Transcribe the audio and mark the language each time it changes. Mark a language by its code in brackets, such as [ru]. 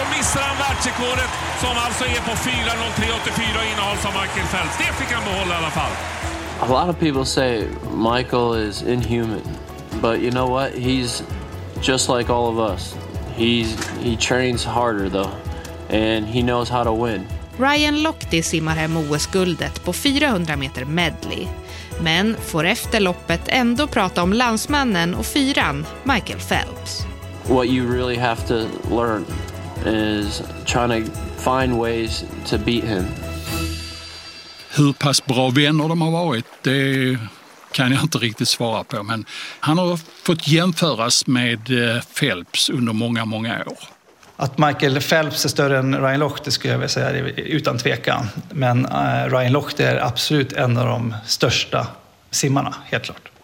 [sv] Och då missar han världsrekordet som alltså är på 4.03.84 och innehålls av Michael Phelps. Det fick han behålla i alla fall. [en] A lot of people say Michael is inhuman, but you know what? He's just like all of us. He trains harder though, and he knows how to win. [sv] Ryan Lochte simmar hem OS-guldet på 400 meter medley, men får efter loppet ändå prata om landsmannen och fyran, Michael Phelps. [en] What you really have to learn is trying to find ways to beat him. [sv] Hur pass bra vänner de har varit, det kan jag inte riktigt svara på. Men han har fått jämföras med Phelps under många, många år. Att Michael Phelps är större än Ryan Lochte skulle jag vilja säga utan tvekan. Men Ryan Lochte är absolut en av de största simmarna, helt klart.